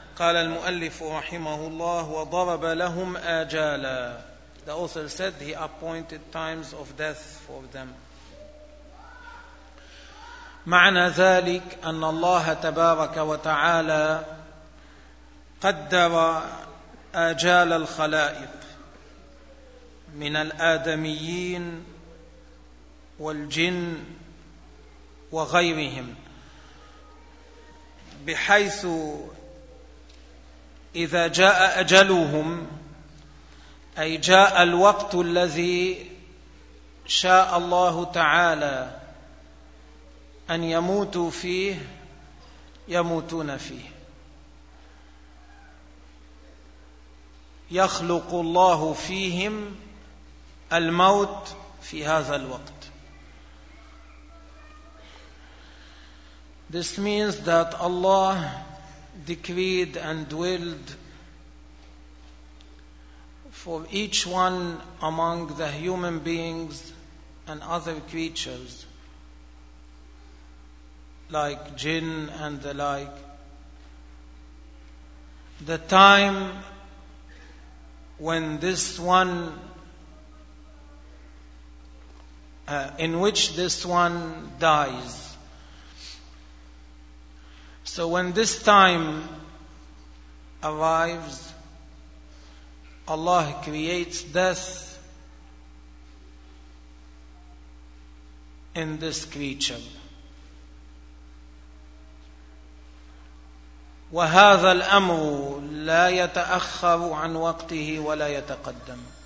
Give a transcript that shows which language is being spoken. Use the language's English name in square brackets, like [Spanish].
[Arabic] قال المؤلف رحمه الله وضرب لهم آجالا. [English] The author said he appointed times of death for them. [Arabic] معنى ذلك أن الله تبارك وتعالى قدر آجال الخلائق من الآدميين والجن وغيرهم بحيث إذا جاء أجلهم أي جاء الوقت الذي شاء الله تعالى أن يموتوا فيه يموتون فيه. يخلق الله فيهم الموت في هذا الوقت. [English] This means that Allah decreed and willed for each one among the human beings and other creatures like jinn and the like, the time when this one, in which this one dies. So when this time arrives, Allah creates death in this creature. [Arabic] وهذا الأمر لا يتأخر عن وقته ولا يتقدم.